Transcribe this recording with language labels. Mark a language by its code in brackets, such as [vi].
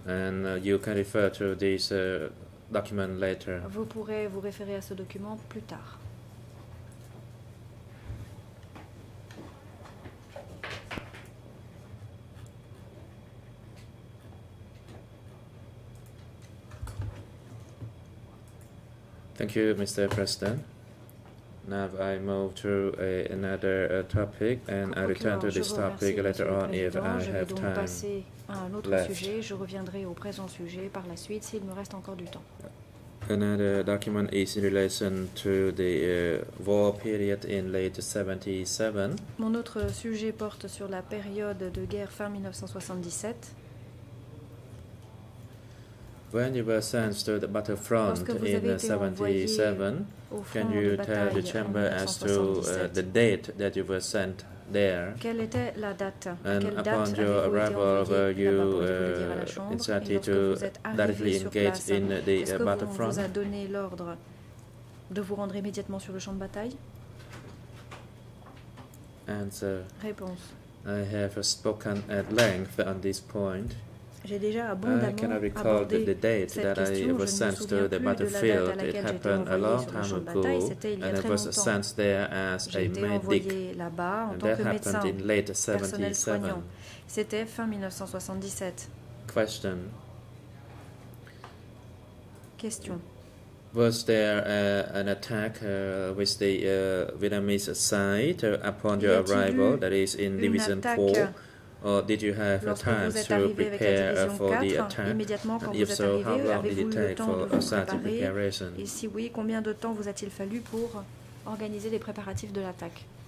[en] And you can refer to this document later. [fr] Vous pourrez vous référer à ce document plus tard. [en] Thank you, Mr. President. Now I move to another topic, and I return to this topic later on if I have time. [fr] Je vais donc passer à un autre sujet. Je reviendrai au présent sujet par la suite s'il me reste encore du temps. [en] Another document is in relation to the war period in late 77. [fr] Mon autre sujet porte sur la période de guerre fin 1977. [en] When you were sent to the battlefront in 77, can you tell the chamber as to the date that you were sent there? [fr] Quelle était la date? [en] And [fr] quelle [en] upon [fr] date [en] your arrival, were you incited to directly engage in the battlefront? [fr] Vous a donné l'ordre de vous rendre immédiatement sur le champ de bataille? [en] Answer. [fr] Réponse. [en] I have spoken at length on this point. [fr] J'ai déjà abondamment abordé cette question. Je ne me souviens plus de la date à laquelle j'étais envoyé sur le champ de bataille. C'était il y a très longtemps. J'étais envoyé là-bas en tant que médecin, personnel soignant. C'était fin 1977. [en] Question. [fr] Question. [en] Was there an attack with the Vietnamese side upon your arrival, that is in Division 4? Or did you have a time to prepare for the attack? If so, how long did it take for such a preparation? [fr] Et si oui, combien de temps vous a-t-il fallu pour organiser les préparatifs de l'attaque?